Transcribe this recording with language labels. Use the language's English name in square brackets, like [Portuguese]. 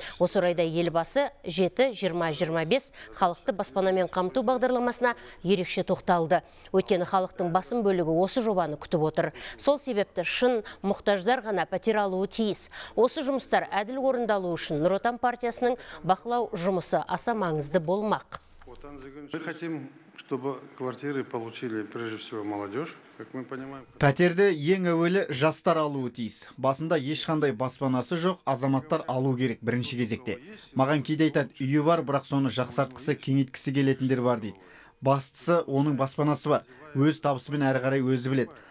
[Kazakh] Осы орайда елбасы 7-20-25 халықты баспанамен қамту бағдарламасына ерекше тоқталды. Өйткені халықтың басым бөлігі осы жобаны күтіп отыр. Сол себепті шын мұқтаждар ғана пәтер алуы тиіс. Осы жұмыстар әділ орындалу үшін Нұр Отан партиясының бақылау жұмысы аса маңызды болмақ. [Russian] Мы хотим, чтобы квартиры получили прежде всего молодежь. [Kazakh] Пәтерді ең әуелі жастар алуы тиіс. Басында ешқандай баспанасы жоқ, азаматтар алу керек бірінші кезекте. Маған кейде айтады, үйі бар, бірақ соны жақсартқысы, кеңейткісі келетіндер бар дейді. Бастысы оның баспанасы бар, өз табысымен әрі қарай өзі біледі.